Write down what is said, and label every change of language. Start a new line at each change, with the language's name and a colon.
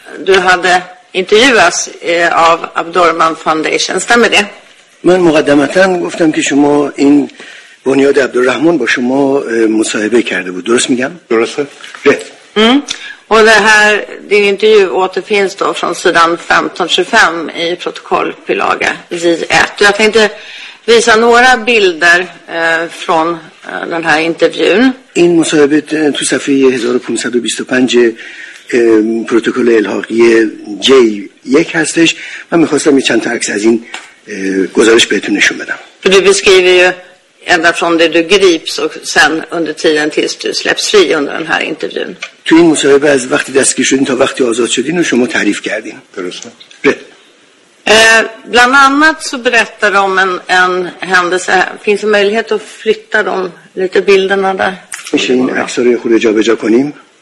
Swedish: du hade intervjuats av Abdurrahman Foundation stämmer det Men
Persian: مقدمتاً گفتم که شما این بنیاد عبدالرحمن با شما مصاحبه کرده بود درست میگم درسته رد
Swedish: Och det här din intervju återfinns då från sidan 1525 i protokollbilaga J1 Jag tänkte visa några bilder från den här intervjun
Persian: این مصاحبه تو صفحه 1525 پروتکل الحاقی جی یک هستش من میخواستم یه چند تا عکس از این گزارش بهتون نشون بدم
Swedish: du beskriver ju ända från det du grips och sen under tiden tills du släpps fri under den här intervjun
Persian: تو این مصاحبه از وقتی دستگیر شدین تا وقتی آزاد شدین و شما تعریف کردین درسته
Swedish: bland annat så berättar de om en händelse finns det möjlighet att flytta de lite bilderna där
Persian: میشه این عکس رو خود جا به جا کنیم